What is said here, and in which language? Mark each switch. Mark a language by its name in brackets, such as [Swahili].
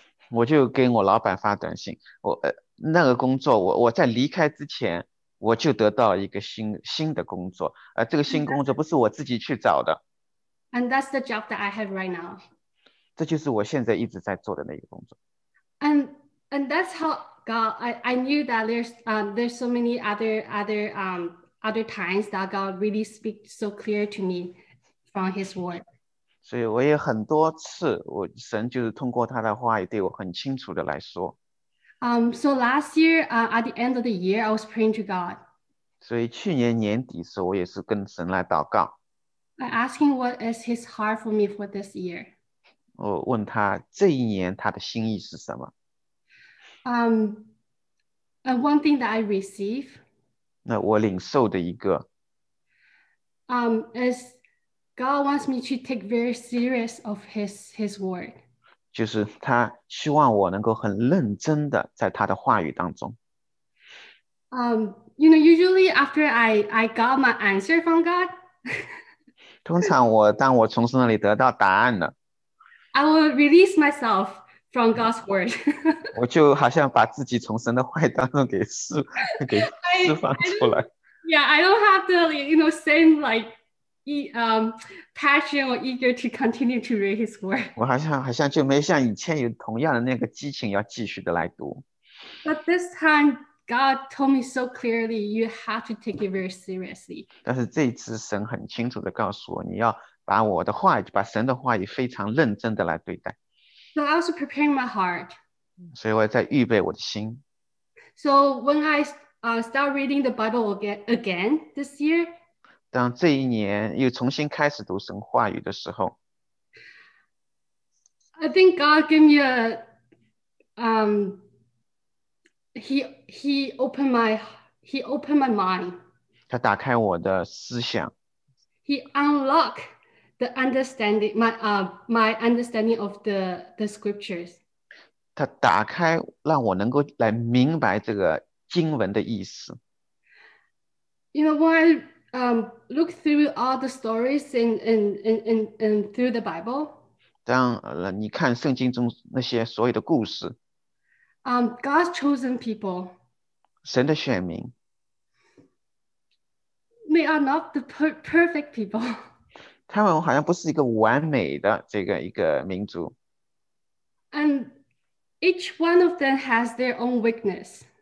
[Chinese] 我就给我老板发短信，那个工作我在离开之前，我就得到一个新的工作，这个新工作不是我自己去找的， [English] And that's the job that I have right now. [Chinese] 这就是我现在一直在做的那个工作。 [English] And that's how God, I knew that there's so many other times that God really speak so clear to me from His word. [Chinese] 所以我也很多次，我神就是通过他的话语对我很清楚的来说。 [English] So last year, at the end of the year, I was praying to God. [Chinese] 所以去年年底时候，我也是跟神来祷告， [English] By asking what is His heart for me for this year. [Chinese] 我问他这一年他的心意是什么？ [English] And one thing that I receive, [Chinese] 那我领受的一个。 [English] is God wants me to take very serious of His word. [Chinese] 就是他希望我能够很认真的在他的话语当中。 [English] Usually after I got my answer from God, [Chinese] 通常当我从神那里得到答案了， [English] I will release myself from God's word. [Chinese] 我就好像把自己从神的话语当中给释放出来。 [English] I don't have the, same passion or eager to continue to read His word. [Chinese] 我好像就没像以前有同样的那个激情要继续的来读。 [English] But this time, God told me so clearly, you have to take it very seriously. [Chinese] 但是这一次神很清楚的告诉我，你要把我的话语，把神的话语非常认真的来对待。 [English] So I was preparing my heart. [Chinese] 所以我在预备我的心。 [English] So when I start reading the Bible again this year, [Chinese] 当这一年又重新开始读神话语的时候， [English] I think God gave me he opened my mind. [Chinese] 他打开我的思想。 [English] He unlocked the understanding my understanding of the scriptures. [Chinese] 他打开让我能够来明白这个经文的意思。 [English] When I look through all the stories in through the Bible, [Chinese] 当你看圣经中那些所有的故事， [English] God's chosen people, [Chinese] 神的选民， [English] they are not the perfect people. [Chinese] 他们好像不是一个完美的这个一个民族， [English] And each one of them has their own weakness.